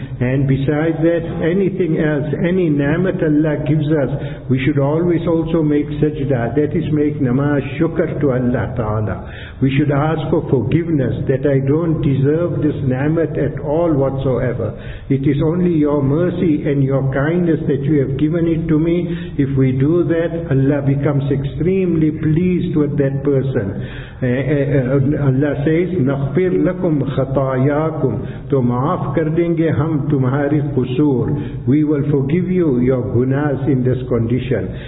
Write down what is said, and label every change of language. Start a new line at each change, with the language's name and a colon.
English: And besides that, anything else, any ni'mat Allah gives us, we should always also make sajda, that is make namaz, shukr to Allah Ta'ala. We should ask for forgiveness, that I don't deserve this ni'mat at all whatsoever. It is only your mercy and your kindness that you have given it to me. If we do that, Allah becomes extremely pleased with that person. Allah says,
Arabic: نَغْفِرْ لَكُمْ خَطَايَاكُمْ
Urdu: تو معاف کر دیں گے ہم تمہاری قصور.
English: We will forgive you your gunas in this condition.